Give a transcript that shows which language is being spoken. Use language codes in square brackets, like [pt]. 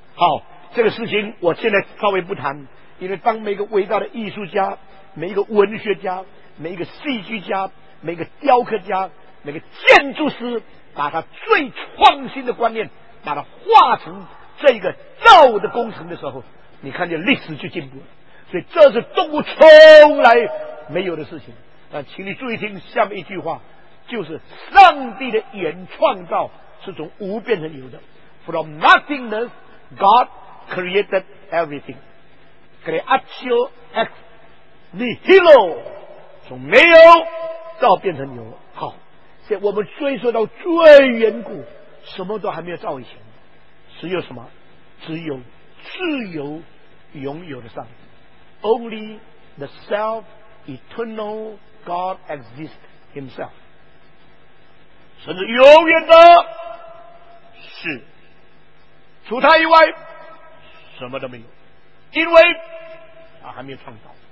[zh] 好，这个事情我现在稍微不谈，因为当每个伟大的艺术家、每一个文学家、每一个戏剧家、每一个雕刻家、每个建筑师把他最创新的观念把它化成这个造的工程的时候，你看见历史就进步了。所以这是动物从来没有的事情。那请你注意听下面一句话，就是上帝的原创造是从无变成有的。 [en] From nothingness God created everything, creatio ex nihilo, [zh] 从没有造变成有。好，现在我们追溯到最远古，什么都还没有造以前，只有什么？只有自由拥有的上帝。 [en] Only the self eternal God exists himself, [zh] 甚至永远的是，除他以外什么都没有，因为他还没有创造。